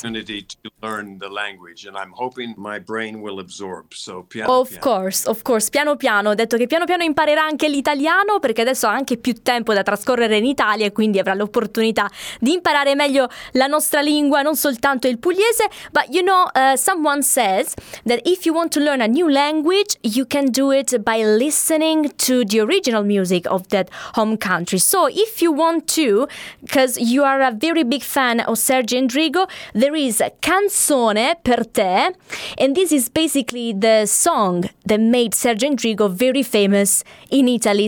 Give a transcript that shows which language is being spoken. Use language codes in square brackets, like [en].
[en] Opportunity to learn the language, and I'm hoping my brain will absorb. So piano. Of course. [it] Piano piano. Ho detto che piano piano imparerà anche l'italiano, perché adesso ha anche più tempo da trascorrere in Italia e quindi avrà l'opportunità di imparare meglio la nostra lingua, non soltanto il pugliese. [en] But you know, someone says that if you want to learn a new language, you can do it by listening to the original music of that home country. So if you want to, because you are a very big fan of Sergio Endrigo, there is a canzone per te, and this is basically the song that made Sergio Endrigo very famous in Italy.